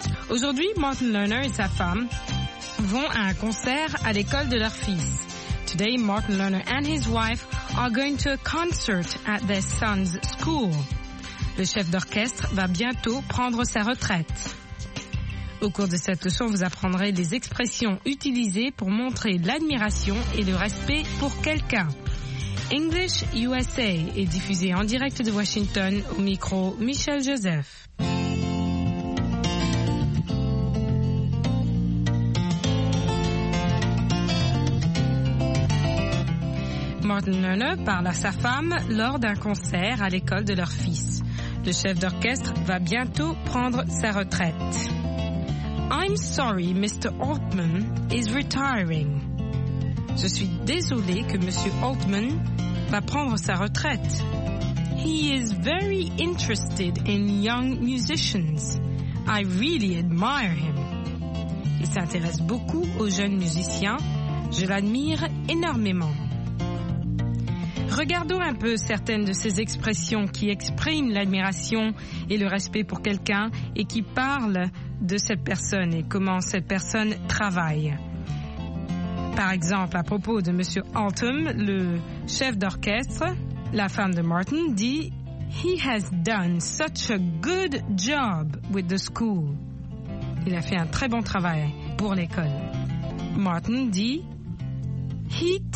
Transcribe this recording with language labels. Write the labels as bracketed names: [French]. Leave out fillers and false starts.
[French] Aujourd'hui, Martin Lerner et sa femme vont à un concert à l'école de leur fils. [English] Today, Martin Lerner and his wife are going to a concert at their son's school. [French] Le chef d'orchestre va bientôt prendre sa retraite. Au cours de cette leçon, vous apprendrez les expressions utilisées pour montrer l'admiration et le respect pour quelqu'un. English USA est diffusé en direct de Washington au micro Michel Joseph. Martin Lerner parle à sa femme lors d'un concert à l'école de leur fils. Le chef d'orchestre va bientôt prendre sa retraite. [English] I'm sorry, Mr. Altman is retiring. [French] Je suis désolé que Monsieur Altman va prendre sa retraite. [English] He is very interested in young musicians. I really admire him. [French] Il s'intéresse beaucoup aux jeunes musiciens. Je l'admire énormément. Regardons un peu certaines de ces expressions qui expriment l'admiration et le respect pour quelqu'un et qui parlent de cette personne et comment cette personne travaille. Par exemple, à propos de Monsieur Altman, le chef d'orchestre, la femme de Martin dit « [English] He has done such a good job with the school. [French] » Il a fait un très bon travail pour l'école. [English] Martin dit « He takes young people who aren't very interested